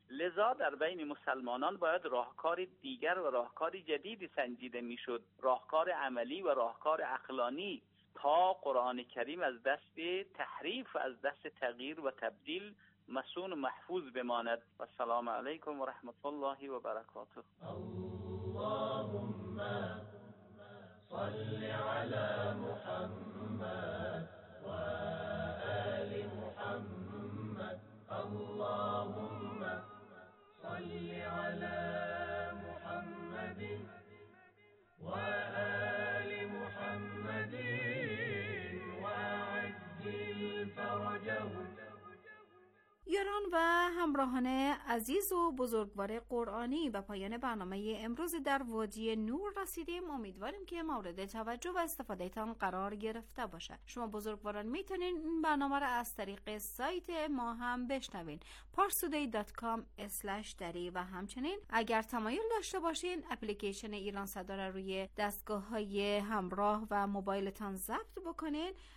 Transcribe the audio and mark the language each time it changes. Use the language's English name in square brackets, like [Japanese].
[Persian] لذا در بین مسلمانان باید راهکار دیگر و راهکار جدیدی سنجیده می شد، راهکار عملی و راهکار عقلانی، تا قرآن کریم از دست تحریف و از دست تغییر و تبدیل مسون و محفوظ بماند. [Arabic] و السلام علیکم و رحمت الله و برکاته. اللهم صل على محمد وآل محمد. اللهم صل على محمد وآل محمد وعجل فرجه. [Persian] یاران و همراهان عزیز و بزرگوار قرآنی، به پایان برنامه امروز در وادی نور رسیدیم. امیدواریم که مورد توجه و استفاده تان قرار گرفته باشد. شما بزرگواران میتونین این برنامه را از طریق سایت ما هم بشنوین، parstoday.com/dari، و همچنین اگر تمایل داشته باشین اپلیکیشن ایران صدا را روی دستگاه های همراه و موبایلتان ضبط بکنین،